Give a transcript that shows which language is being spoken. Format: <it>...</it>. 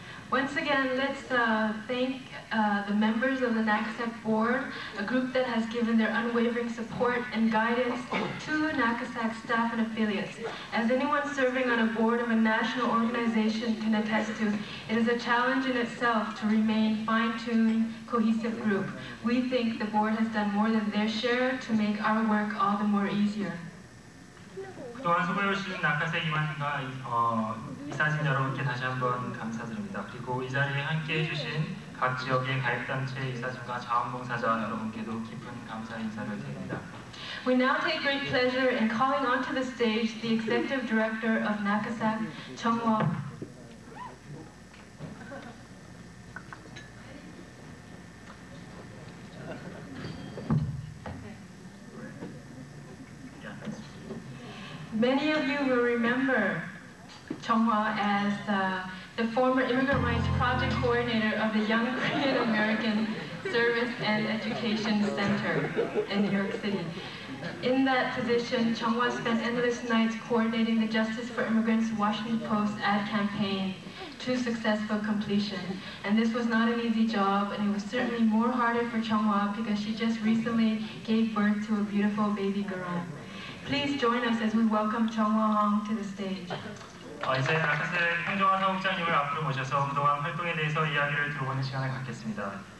<en>Once again, let's thank the members of the Nakasek board, a group that has given their unwavering support and guidance to Nakasek staff and affiliates. As anyone serving on a board of a national organization can attest to, it is a challenge in itself to remain fine-tuned, cohesive group. We think the board has done more than their share to make our work all the more easier.</en> <ko>또한 수고해 주신 나카세 이만과 이사진 여러분께 다시 한번 감사드립니다. 그리고 이 자리에 함께해 주신 각 지역의 가입단체 이사진과 자원봉사자 여러분께도 깊은 감사 인사를 드립니다.</ko> <en>We now take great pleasure in calling onto the stage the Executive Director of NACASAC, 정원. Many of you will remember 정화 as the former Immigrant Rights Project Coordinator of the Young Korean American Service and Education Center in New York City. In that position, 정화 spent endless nights coordinating the Justice for Immigrants Washington Post ad campaign to successful completion. And this was not an easy job, and it was certainly more harder for 정화 because she just recently gave birth to a beautiful baby girl. Please join us as we welcome 정화 Hong to the stage.</en> <ko>이제 나카세 황정화 사무장님을 앞으로 모셔서 그동안 활동에 대해서 이야기를 들어보는 시간을 갖겠습니다.</ko>